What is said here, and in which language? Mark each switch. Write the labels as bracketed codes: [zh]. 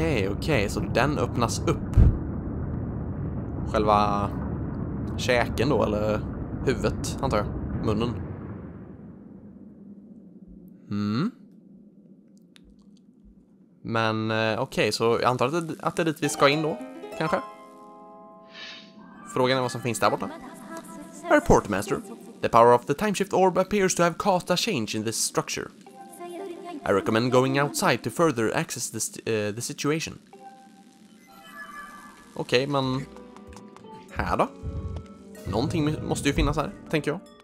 [sv] Okej, så den öppnas upp. Själva käken då, eller huvudet antar jag. Munnen. Men okej, så jag antar att det är dit vi ska in då, kanske. Frågan är vad som finns där borta. [en] Reportmaster, the power of the timeshift orb appears to have caused a change in this structure. I recommend going outside to further access this, the situation. [sv] Okej, men här då? Någonting måste ju finnas här, tänker jag.